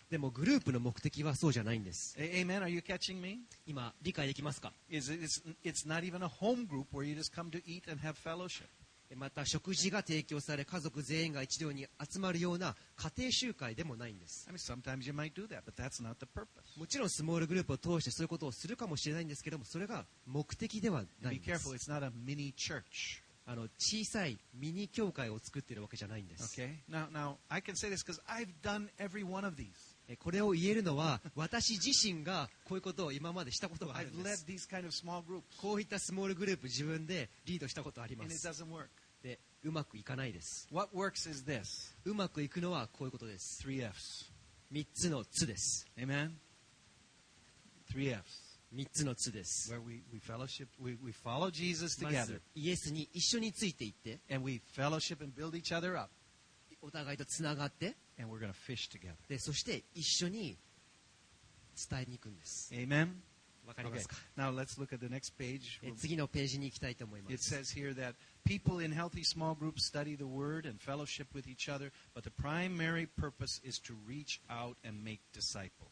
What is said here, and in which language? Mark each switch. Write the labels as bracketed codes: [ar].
[ja] でもグループの目的はそうじゃないんです。 [en] Amen. Are you catching me? [ja] 今理解できますか? [en] It's not even a home group where you just come to eat and have fellowship. [ja] また食事が提供され家族全員が一堂に集まるような家庭集会でもないんです。 [en] I mean, sometimes you might do that, but that's not the purpose. [ja] もちろんスモールグループを通してそういうことをするかもしれないんですけども、それが目的ではないんです。 [en] Be careful. It's not a mini church. [ja] 小さいミニ教会を作っているわけじゃないんです。 [en] Okay. Now I can say this because I've done every one of these. [ja] これを言えるのは私自身がこういうことを今までしたことがあるんです。 [en] Kind of small groups. [ja] こういったスモールグループ自分でリードしたことあります。 [en] And it doesn't work. [ja] で、うまくいかないです。 [en] What works is this. [ja] うまくいくのはこういうことです。 [en] Three Fs. [ja] 三つのつです。 [en] Amen. Three Fs. [ja] 三つのつです。 [en] Where we fellowship, we follow Jesus together. [ja] まずイエスに一緒についていって。 [en] And we fellowship and build each other up. [ja] お互いとつながって [en] And we're gonna fish together. [ja] でそして一緒に伝えに行くんです。 [en] Amen. [ja] わかりますか? [en] Okay. Now let's look at the next page. [ja] 次のページに行きたいと思います。 [en] It says here that people in healthy small groups study the word and fellowship with each other, but the primary purpose is to reach out and make disciples.